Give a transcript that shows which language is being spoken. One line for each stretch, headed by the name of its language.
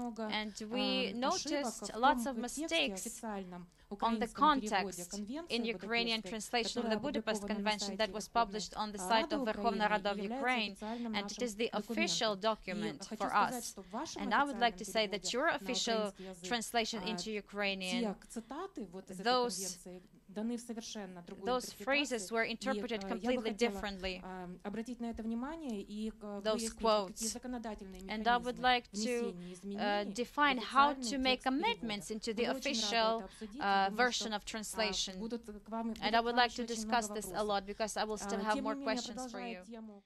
English: And we noticed lots of mistakes on the context in Ukrainian translation of the Budapest Convention that was published on the site of Verkhovna Rada of Ukraine, and it is the official document for us. And I would like to say that your official translation into Ukrainian, those
Russian: даны в совершенно другую
English: interpretation. Those phrases were interpreted completely differently.
Russian: Обратить на это внимание и
English: those quotes. And I would like to define how to make amendments into the official version of translation. And I would like to discuss this a lot because I will still have more questions for you.